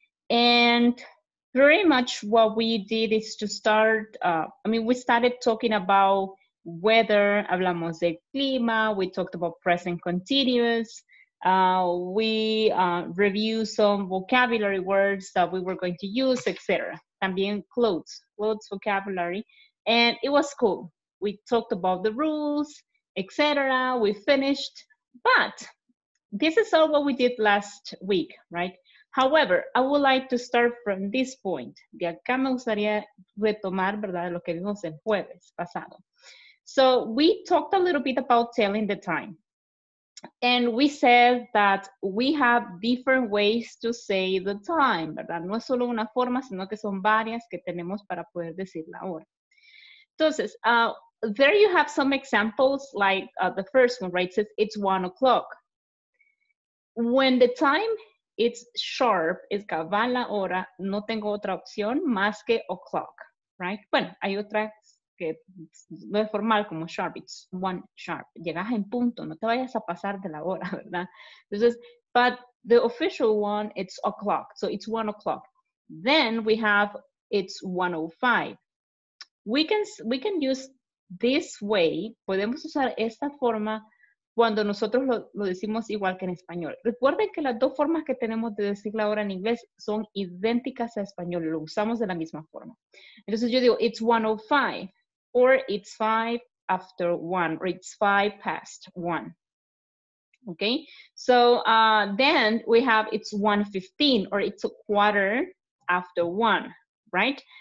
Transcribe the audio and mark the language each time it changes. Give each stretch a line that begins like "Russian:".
English: And very much what we did is to start, we started talking about weather,
Spanish: hablamos de clima,
English: we talked about present continuous, we reviewed some vocabulary words that we were going to use, etc. También clothes vocabulary. And it was cool. We talked about the rules, etc. We finished, but this is all what we did last week, right? However, I would like to start from this point.
Spanish: De acá me gustaría retomar, ¿verdad?, lo que vimos el jueves pasado.
English: So we talked a little bit about telling the time. And we said that we have different ways to say the time, ¿verdad?
Spanish: No es solo una forma, sino que son varias que tenemos para poder decir la hora.
English: Entonces, there you have some examples, like the first one, right? It says it's 1 o'clock. When the time is sharp,
Spanish: es cabal la hora, no tengo otra opción más que o'clock, right? Bueno, hay otra que no es formal como sharp,
English: it's 1 sharp.
Spanish: Llegas en punto, no te vayas a pasar de la hora, ¿verdad?
English: Entonces, but the official one, it's o'clock, so it's 1 o'clock. Then we have it's 1:05. We can use this way,
Spanish: podemos usar esta forma cuando nosotros lo decimos igual que en español. Recuerden que las dos formas que tenemos de decir la hora en inglés son idénticas a español, lo usamos de la misma forma. Entonces yo digo,
English: it's 1:05, or it's 1:05, or it's 1:05. Okay, so then we have it's 1:15, or it's 1:15, right?